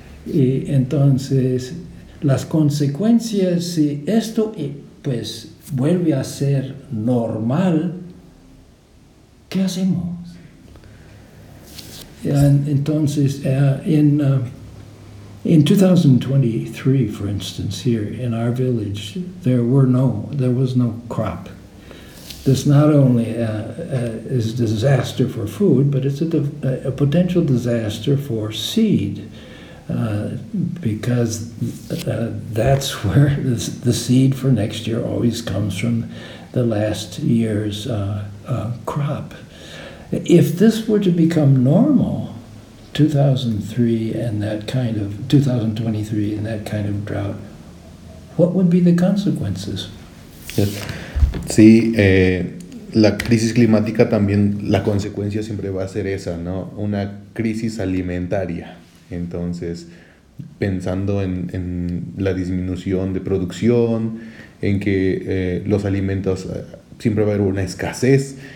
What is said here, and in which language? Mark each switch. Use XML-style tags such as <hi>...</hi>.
<es>Y entonces, las consecuencias, si esto pues vuelve a ser normal, ¿qué hacemos?</es> <en>Entonces, in 2023, for instance, here in our village, there was no crop. This not only is a disaster for food, but it's a potential disaster for seed, because that's where the seed for next year always comes from, the last year's crop. If this were to become normal, 2023 and that kind of drought, what would be the consequences? Yes.</en> <es>Sí, la crisis climática también, la consecuencia siempre va a ser esa, ¿no? Una crisis alimentaria. Entonces, pensando en la disminución de producción, en que los alimentos, siempre va a haber una escasez.</es>